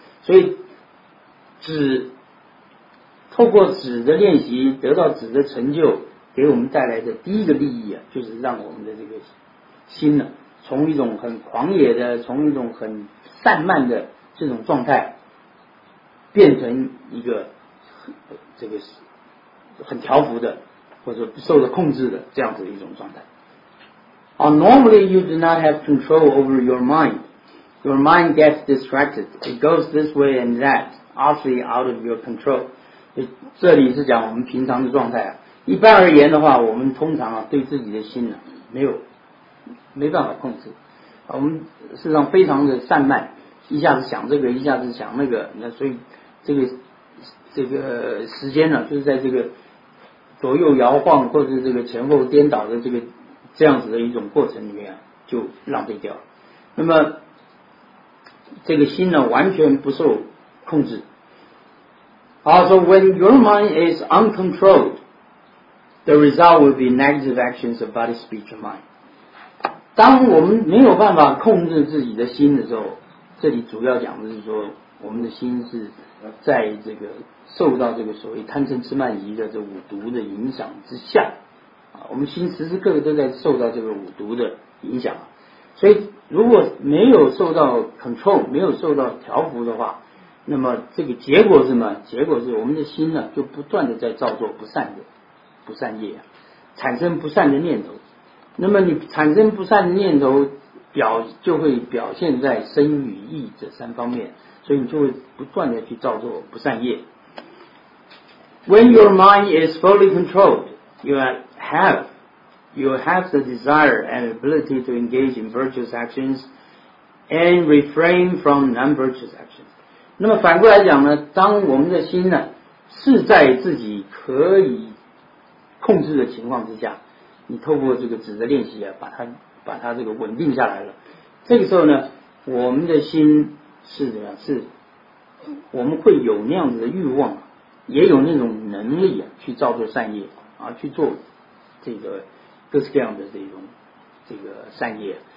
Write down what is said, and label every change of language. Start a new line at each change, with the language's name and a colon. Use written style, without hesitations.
Chinese: 所以指透过止的练习得到止的成就，给我们带来的第一个利益啊，就是让我们的这个心呢、啊，从一种很狂野的，从一种很散漫的这种状态，变成一个这个很调伏的，或者受了控制的这样子一种状态。
English: Normally you do not have control over your mind. Your mind gets distracted. It goes this way and that, obviously out of your control.
Chinese: 这里是讲我们平常的状态啊。一般而言的话，我们通常啊对自己的心呢、啊、没办法控制。我们事实上非常的散漫，一下子想这个，一下子想那个，那所以这个时间呢、啊，就是在这个左右摇晃或者这个前后颠倒的这个这样子的一种过程里面、啊、就浪费掉了。那么这个心呢完全不受控制。
English: Also, when your mind is uncontrolled, the result will be negative actions of body, speech, and mind.
Chinese: 当我们没有办法控制自己的心的时候，这里主要讲的是说我们的心是在这个受到这个所谓贪嗔痴慢疑的这五毒的影响之下，我们心时时刻刻都在受到这个五毒的影响，所以如果没有受到 control, 没有受到调伏的话，那么这个结果是什么？结果是我们的心呢就不断的在造作不善业、啊、产生不善的念头，那么你产生不善的念头就会表现在身与意这三方面，所以你就会不断的去造作不善业。
English: When your mind is fully controlled, you have the desire and ability to engage in virtuous actions and refrain from non-virtuous actions.
Chinese: 那么反过来讲呢，当我们的心呢是在自己可以控制的情况之下，你透过这个指责练习啊，把它这个稳定下来了。这个时候呢，我们的心是怎样？是，我们会有那样子的欲望，也有那种能力啊，去造作善业啊，去做这个各式各样的这个善业。